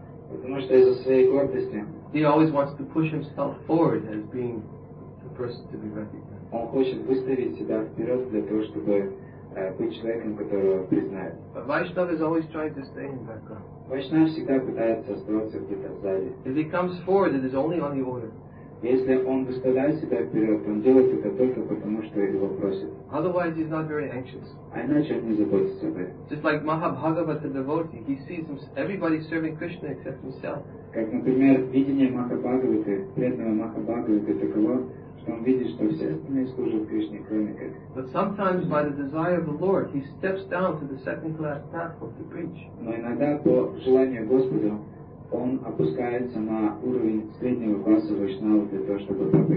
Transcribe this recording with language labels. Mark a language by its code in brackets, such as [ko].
[ru] потому что из-за своей гордости, [en] he always wants to push himself forward as being the person to be recognized. [ru] Он хочет выставить себя вперед для того, чтобы быть человеком, которого признают. [en] But Vaishnava is always trying to stay in background. [ru] Vaishnava всегда пытается оставаться где-то сзади. [en] If he comes forward, it is only on the order. [ru] Если он выставляет себя вперед, он делает это только потому, что его просят. [en] Otherwise, he's not very anxious. [ru] А иначе он не заботится об этом. [en] Just like Mahabhagavata devotee, he sees everybody serving Krishna except himself. [ru] Как, например, видение Махабхагаваты, преданного Махабхагаваты таково, что он видит, что все остальные служат Кришне, кроме как. [en] But sometimes, by the desire of the Lord, he steps down to the second class platform to preach. [ru] Но иногда по желанию Господа он опускается на уровень среднего класса вайшнава для того, чтобы